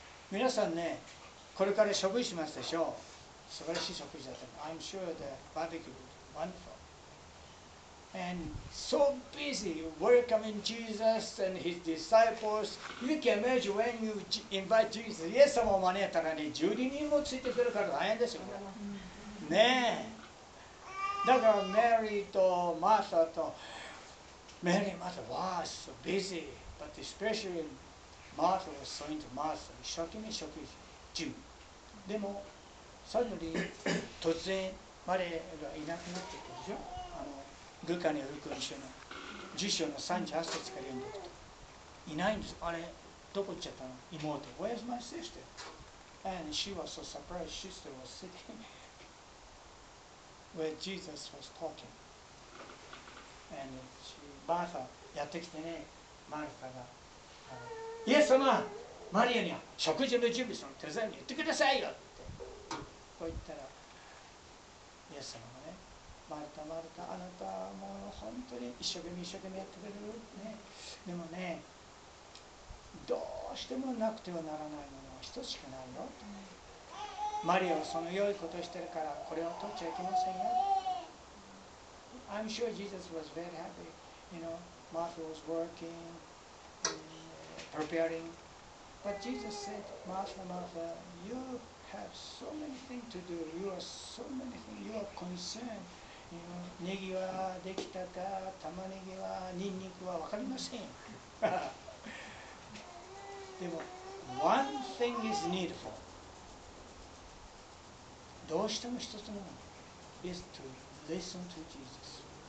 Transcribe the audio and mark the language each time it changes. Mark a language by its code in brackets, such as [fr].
[ja] 皆さんね、これから食事しますでしょう。素晴らしい食事だった。 [en] I'm sure the barbecue would be wonderful. And so busy welcoming Jesus and his disciples. You can imagine when you invite Jesus. [ja] イエス様を招いたらね、12人もついてくるから大変ですよね。ねえ。だからマリーとマーサーと、マリー、マーサー、わあ、 [en] so busy. But especially Martha was so into Martha. [ja] 一生懸命食事中。でも、 [en] suddenly [ja] 突然マリーがいなくなってくるでしょ。ルカによる福音書の十章の38節から読んでいくと、いないんです。あれ、どこ行っちゃったの？妹。 [en] Where's my sister? And she was so surprised. She still was sitting where Jesus was talking. And she, Martha, [ja] やってきてね、マルタが、イエス様、マリアには食事の準備その手伝いに行ってくださいよって。こう言ったら、イエス様がね、マルタ、マルタ、あなたはもう本当に一生懸命一生懸命やってくれる、ね、でもね、どうしてもなくてはならないものは一つしかないよ、ね、マリアはその良いことをしてるからこれを取っちゃいけませんよ。 [en] I'm sure Jesus was very happy. You know, Martha was working, preparing. But Jesus said, Martha, Martha, you have so many things to do. You are so many things. You are concerned. [ja] ネギはできたか、玉ねぎは、ニンニクは分かりません。でも、 [en] one thing is needful. [ja] どうしても一つのもの [en] is to listen to Jesus.